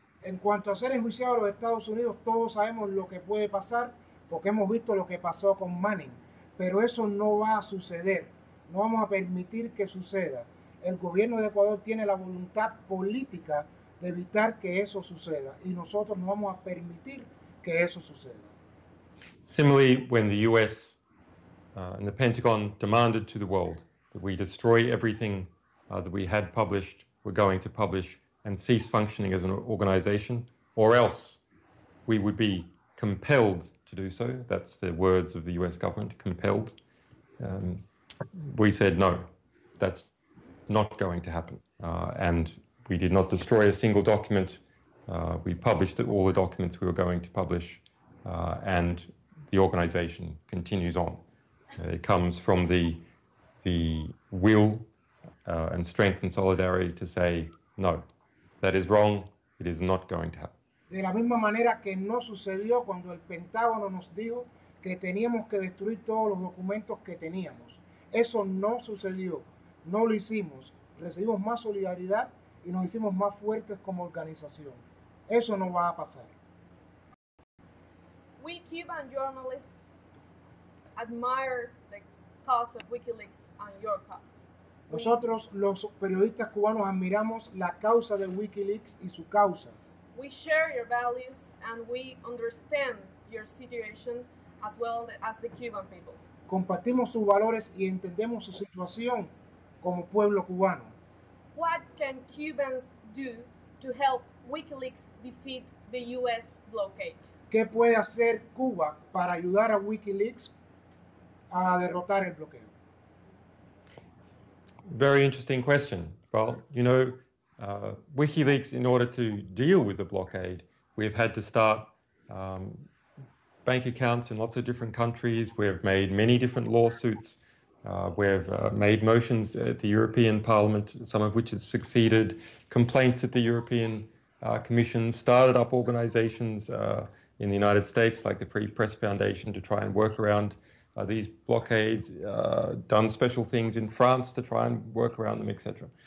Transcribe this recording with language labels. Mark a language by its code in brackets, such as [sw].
[es] En cuanto a ser enjuiciado a los Estados Unidos, todos sabemos lo que puede pasar porque hemos visto lo que pasó con Manning, pero eso no va a suceder. No vamos a permitir que suceda. El gobierno de Ecuador tiene la voluntad política de evitar que eso suceda, y nosotros no vamos a permitir que eso suceda. [en] Similarly, when the U.S. And the Pentagon demanded to the world that we destroy everything that we had published, we're going to publish and cease functioning as an organization, or else we would be compelled to do so. That's the words of the US government, compelled. We said, no, that's not going to happen. And we did not destroy a single document. We published all the documents we were going to publish, and the organization continues on. It comes from the will and strength and solidarity to say, no, that is wrong, it is not going to happen. [es] De la misma manera que no sucedió cuando el Pentágono nos dijo que teníamos que destruir todos los documentos que teníamos. Eso no sucedió, no lo hicimos. Recibimos más solidaridad y nos hicimos más fuertes como organización. Eso no va a pasar. [en] We Cuban journalists admire the cause of WikiLeaks and your cause. [es] Nosotros, los periodistas cubanos, admiramos la causa de WikiLeaks y su causa. [en] We share your values and we understand your situation as well as the Cuban people. [es] Compartimos sus valores y entendemos su situación como pueblo cubano. [en] What can Cubans do to help WikiLeaks defeat the US blockade? [es] ¿Qué puede hacer Cuba para ayudar a WikiLeaks a derrotar el bloqueo? [en] Very interesting question. Well, you know, WikiLeaks, in order to deal with the blockade, we've had to start bank accounts in lots of different countries. We have made many different lawsuits. We have made motions at the European Parliament, some of which have succeeded, complaints at the European Commission, started up organizations in the United States, like the Free Press Foundation, to try and work around these blockades, done special things in France to try and work around them, etc.